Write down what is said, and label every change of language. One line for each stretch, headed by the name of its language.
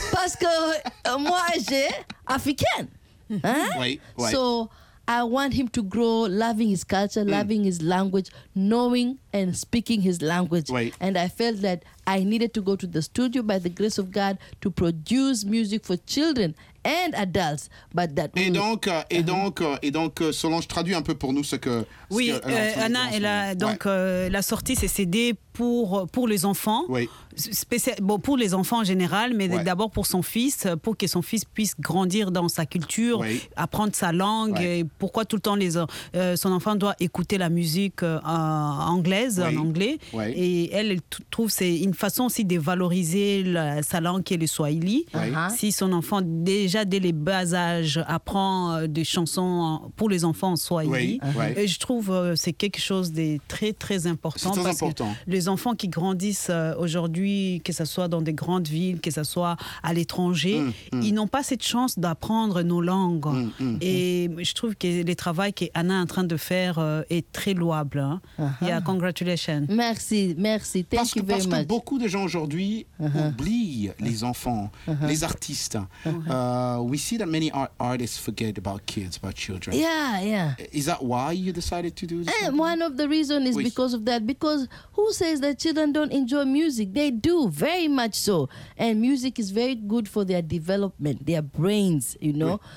French: Parce que moi, j'ai africain. Hein? Oui.
English: So I want him to grow loving his culture, loving his language, knowing and speaking his language. Right. And I felt that I needed to go to the studio by the grace of God to produce music for children and adults. But that
French: et donc, Solange traduit un peu pour nous ce que... Oui, Anna, elle a sorti ses CD pour les enfants. Oui. Pour les enfants en général, mais d'abord pour son fils, pour que son fils puisse grandir dans sa culture, apprendre sa langue. Et pourquoi tout le temps son enfant doit écouter la musique anglaise, en anglais. Oui. Et elle trouve que c'est une façon aussi de valoriser sa langue qui est le Swahili. Oui. Si son enfant, déjà dès les bas âges, apprend des chansons pour les enfants en Swahili, et je trouve que c'est quelque chose de très, très important. C'est très important. Que les enfants qui grandissent aujourd'hui, que ce soit dans des grandes villes, que ce soit à l'étranger, ils n'ont pas cette chance d'apprendre nos langues. Je trouve que le travail qu'Anna est en train de faire est très louable.
English: Congratulations.
French: Merci.
English: Thank you very much.
French: Parce que beaucoup de gens aujourd'hui oublient les enfants, les artistes.
English: We see that many artists forget about kids, about children. Yeah. Is that why you decided to do this? One of the reasons is because of that. Because who says that children don't enjoy music? They do, very much so. And music is very good for their development, their brains, you know. Yeah.